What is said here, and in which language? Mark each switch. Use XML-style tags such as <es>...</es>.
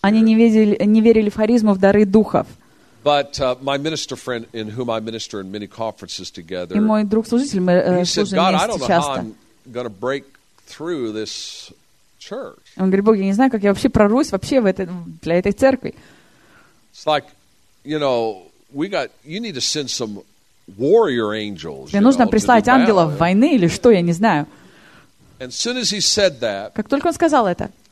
<ru>Они не верили в харизму, в дары духов.</ru> <en>But my minister friend, in whom I minister in many conferences together,</en> <ru>и мой друг-служитель, мы служим вместе часто.</ru> <en>He said, "God, I don't know how I'm going to break through this church."</en> <ru>Он говорит: "Бог, я не знаю, как я вообще прорвусь вообще в этой для этой церкви."</ru> <en>It's like, you know, you need to send some warrior angels.</en> <ru>Мне нужно прислать ангелов войны или что, я не знаю.</ru> <en>And as soon as he said that,</en> <ru>как только он сказал это,</ru>